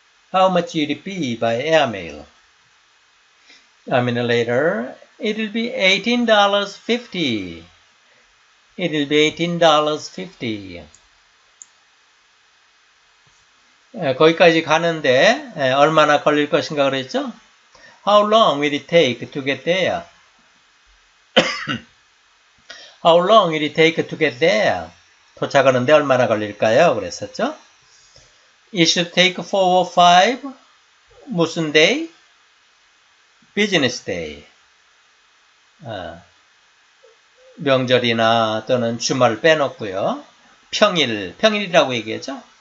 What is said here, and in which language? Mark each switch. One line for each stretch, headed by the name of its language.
English: How much will it be by airmail? A minute later, it will be $18.50. It will be $18.50.
Korean: 거기까지 가는데 얼마나 걸릴 것인가 그랬죠?
English: How long will it take to get there? How long will it take to get there?
Korean: 도착하는데 얼마나 걸릴까요? 그랬었죠?
English: It should take 4 or 5
Korean: 무슨
English: day? Business day.
Korean: 명절이나 또는 주말 빼놓고요. 평일, 평일이라고 얘기하죠?